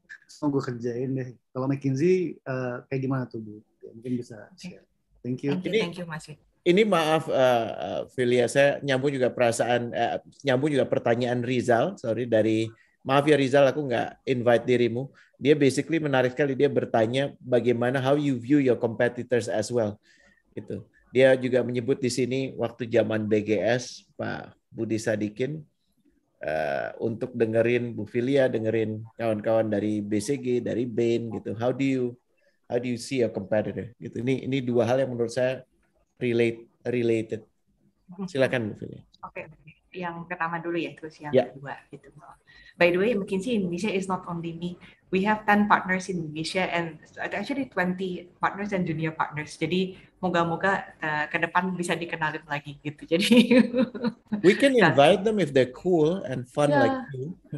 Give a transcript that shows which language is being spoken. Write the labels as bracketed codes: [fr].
[id] So, gue kerjain deh. Kalau McKinsey, kayak gimana tuh, Bu? Mungkin bisa share. [en] Thank you. Thank you, Mas. [id] Ini maaf, Filia, saya nyambung juga pertanyaan Rizal, sorry, dari, maaf ya Rizal, aku gak invite dirimu. Dia basically menarik sekali, dia bertanya bagaimana, [en] how you view your competitors as well. [id] Gitu. Dia juga menyebut di sini waktu zaman BGS, Pak Budi Sadikin, untuk dengerin Bu Filia, dengerin kawan-kawan dari BCG, dari Bain, gitu. [en] How do you see a competitor? [id] Gitu. Ini dua hal yang menurut saya related. Silakan Bu Filia. Oke. yang pertama dulu ya, terus yang kedua gitu. [en] By the way, McKinsey Indonesia is not only me. We have 10 partners in Indonesia and actually 20 partners and junior partners. [id] Jadi moga-moga ke depan bisa dikenalin lagi gitu. Jadi [en] we can invite them if they're cool and fun like you.